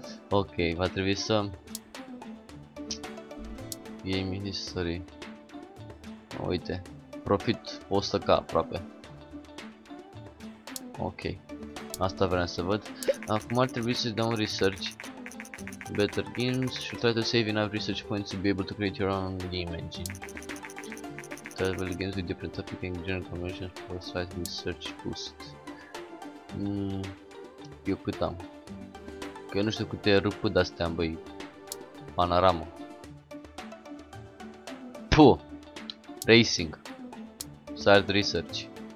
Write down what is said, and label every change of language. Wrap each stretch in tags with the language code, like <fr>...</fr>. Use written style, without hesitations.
<ro>Ok, va trebui să... Game Ministry. Uite, profit 100k aproape. Ok, asta vreau să văd. Acum ar trebui să dau un research.</ro> <en>Better games, should try to save enough research points to be able to create your own game engine. Travel games with different topic and general information for a slight research boost.</en> <ro>Eu cât am? Că eu nu știu câte rupă de-astea am, băi. Panorama.</ro> <en>Puh! Racing. Side research.</en>